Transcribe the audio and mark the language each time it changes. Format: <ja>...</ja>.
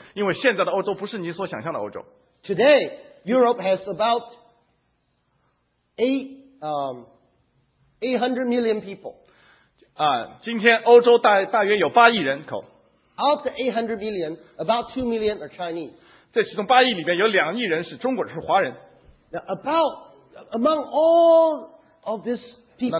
<zh>因为现在的欧洲不是你所想象的欧洲。</zh> <en>Today, Europe has about 800 million people.</en> <zh>今天欧洲大约有8亿人口。</zh> <en>Out of the 800 million, about 2 million are Chinese.</en> <zh>这其中8亿里面有2亿人是中国人，是华人。</zh> <en>Now about, among all of these people,</en>